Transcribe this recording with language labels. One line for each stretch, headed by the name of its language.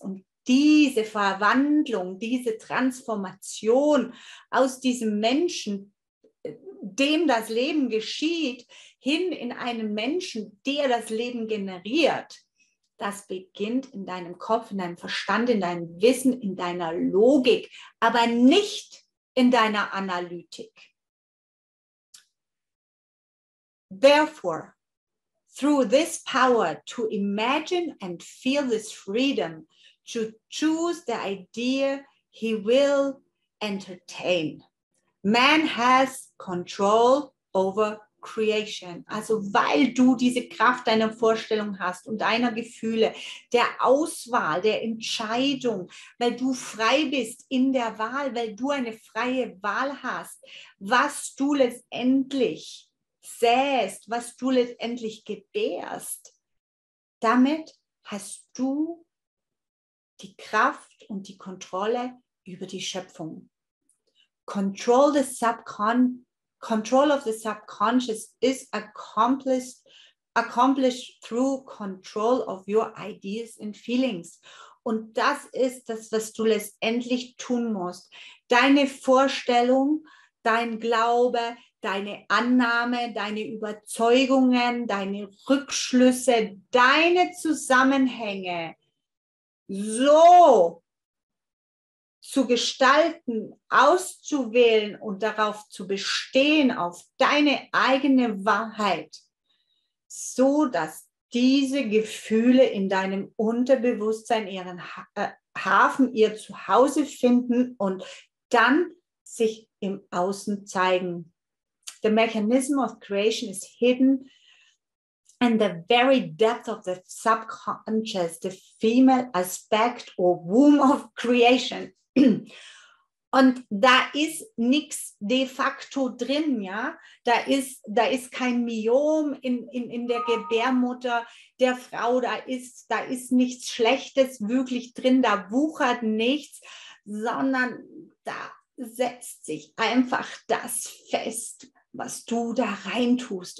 German: Und diese Verwandlung, diese Transformation aus diesem Menschen, dem das Leben geschieht, hin in einen Menschen, der das Leben generiert, das beginnt in deinem Kopf, in deinem Verstand, in deinem Wissen, in deiner Logik, aber nicht in deiner Analytik.
English: Therefore, through this power to imagine and feel this freedom, to choose the idea he will entertain. Man has control over creation.
German: Also weil du diese Kraft deiner Vorstellung hast und deiner Gefühle, der Auswahl, der Entscheidung, weil du frei bist in der Wahl, weil du eine freie Wahl hast, was du letztendlich säst, was du letztendlich gebärst, damit hast du die Kraft und die Kontrolle über die Schöpfung.
English: Control of the subconscious is accomplished through control of your ideas and feelings.
German: Und das ist das, was du letztendlich tun musst. Deine Vorstellung, dein Glaube, deine Annahme, deine Überzeugungen, deine Rückschlüsse, deine Zusammenhänge so zu gestalten, auszuwählen und darauf zu bestehen, auf deine eigene Wahrheit, so dass diese Gefühle in deinem Unterbewusstsein ihren Hafen, ihr Zuhause finden und dann sich im Außen zeigen.
English: The mechanism of creation is hidden in the very depth of the subconscious, the female aspect or womb of creation.
German: Und da ist nichts de facto drin, ja. Da ist kein Myom in der Gebärmutter der Frau, da ist nichts Schlechtes wirklich drin, da wuchert nichts, sondern da setzt sich einfach das fest, was du da reintust.